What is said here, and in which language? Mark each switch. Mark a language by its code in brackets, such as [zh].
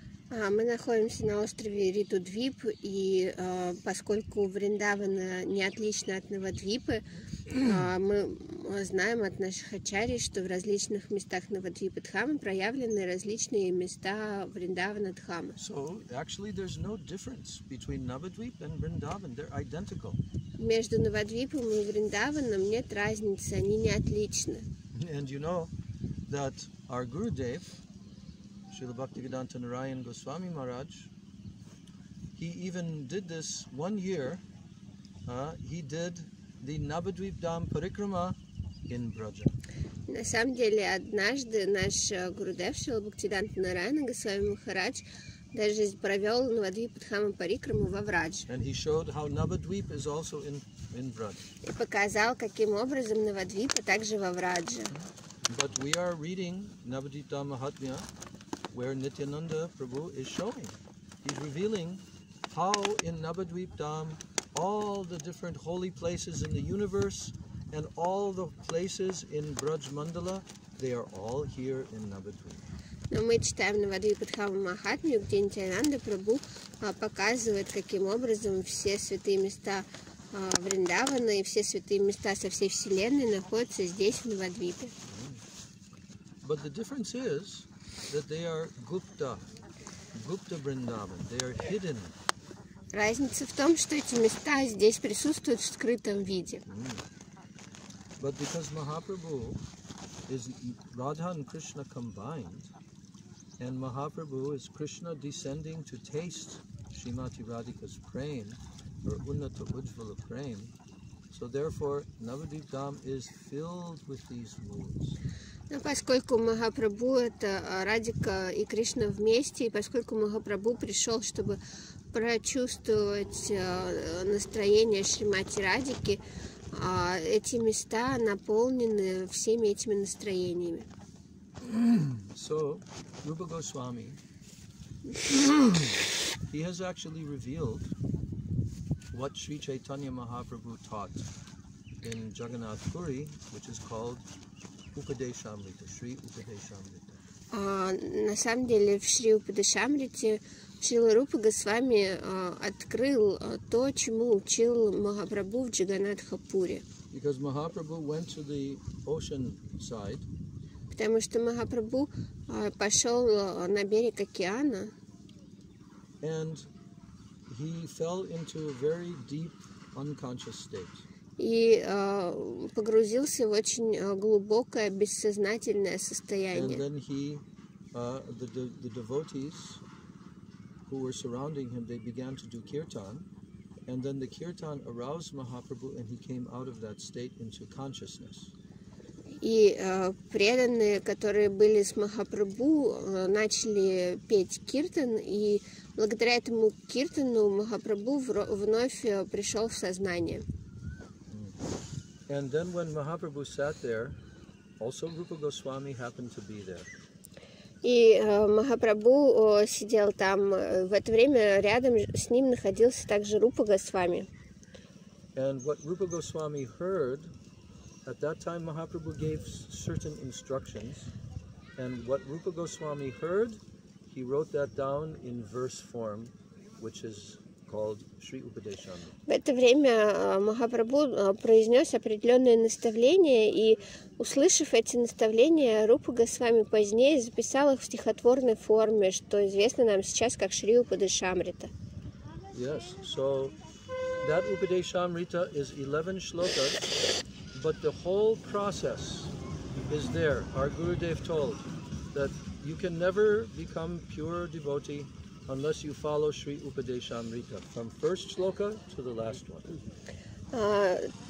[ru] Мы находимся на острове Ритудвип, и поскольку Вриндавана не отлична от Навадвипы, мы знаем от наших ачарьи, что в различных местах Навадвипы Дхамы проявлены различные места Вриндавана Дхамы. [en] So, actually, there's no difference between Navadvip and Vrindavan. They're identical. [ru] Между Навадвипом и Вриндаваном нет разницы, они не отличны. [en] And you know that our Gurudev, Srila Bhaktivedanta Narayan Goswami Maharaj, he even did this one year. He did the Navadvip Dham Parikrama in Braja. [ru] На самом деле, однажды наш Гурудев Шрила Бхактивиданта Нараяна Госвами Махарадж даже провел Навадвип Дхама Парикраму во Врадж. [en] And he showed how Navadvip is also in Braja. [ru] И показал, каким образом Навадвипа также во Врадже. [en] But we are reading Navadvip Dham Mahatmya, where Nityananda Prabhu is showing. He's revealing how in Navadvip Dham all the different holy places in the universe and all the places in Braj Mandala, they are all here in Navadvip. [ru] Но мы читаем Навадвипа Дхама Махатмию, где Нитьянанда Прабху показывает, каким образом все святые места Вриндавана и все святые места со всей Вселенной находятся здесь, в Навадвипе. [en] But the difference is that they are Gupta, Gupta Vrindavan, they are hidden. [ru] Разница в том, что эти места здесь присутствуют в скрытом виде. Mm. [en] But because Mahaprabhu is Radha and Krishna combined, and Mahaprabhu is Krishna descending to taste Srimati Radhika's prema, or Unnata Ujjvala prema, so therefore Navadvip Dham is filled with these moods. [ru] Но поскольку Махапрабху — это Радика и Кришна вместе, и поскольку Махапрабху пришел, чтобы прочувствовать настроение Шримати Радики, эти места наполнены всеми этими настроениями. [en] So, Rupa Goswami, he has actually revealed what Sri Chaitanya Mahaprabhu taught in Jagannath Puri, which is called Upadeshamrita, Shri Upadeshamrita. [ru] На самом деле, в Шри Упадешамрите Шрила Рупа Госвами открыл то, чему учил Махапрабху в Джаганатхапуре. [en] Because Mahaprabhu went to the ocean side. [ru] Потому что Махапрабху пошел на берег океана. [en] And he fell into a very deep unconscious state. [ru] И погрузился в очень глубокое бессознательное состояние. [en] And then he, the devotees who were surrounding him, they began to do kirtan, and then the kirtan aroused Mahaprabhu, and he came out of that state into consciousness. [ru] И преданные, которые были с Махапрабху, начали петь киртан, и благодаря этому киртану Махапрабху вновь пришел в сознание. [en] And then when Mahaprabhu sat there, also Rupa Goswami happened to be there. [ru] И Махапрабху сидел там. В это время рядом с ним находился также Рупа Госвами. [en] And what Rupa Goswami heard, at that time Mahaprabhu gave certain instructions. And what Rupa Goswami heard, he wrote that down in verse form, which is called Shri Upadeshamrita. [ru] В это время Махапрабху произнес определенные наставления, и, услышав эти наставления, Рупа Госвами позднее записал их в стихотворной форме, что известно нам сейчас как Шри Упадешамрита. [en] Yes, so that Upadeshamrita is 11 shlokas, but the whole process is there. Our Gurudev told that you can never become pure devotee unless you follow Shri Upadeshamrita from first shloka to the last one.